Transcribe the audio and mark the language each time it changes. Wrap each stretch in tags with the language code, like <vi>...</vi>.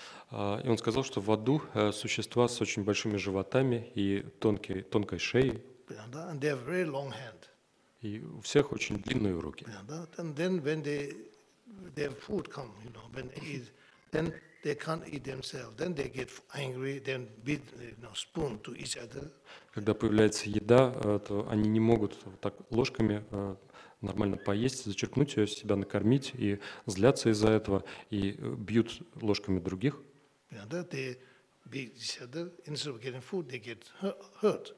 <ru>И он сказал, что в аду существа с очень большими животами и тонкой шеей.</ru> <en>And they have very long hands.</en> <ru>И у всех очень длинные руки.</ru> <en>And then when their food come, you know, when they eat, then they can't eat themselves. Then they get angry. Then beat, you know, spoon to each other.</en> <ru>Когда появляется еда, то они не могут так ложками нормально поесть, зачерпнуть ее, себя накормить и злятся из-за этого и бьют ложками других.</ru> <en>They beat each other. Instead of getting food, they get hurt.</en>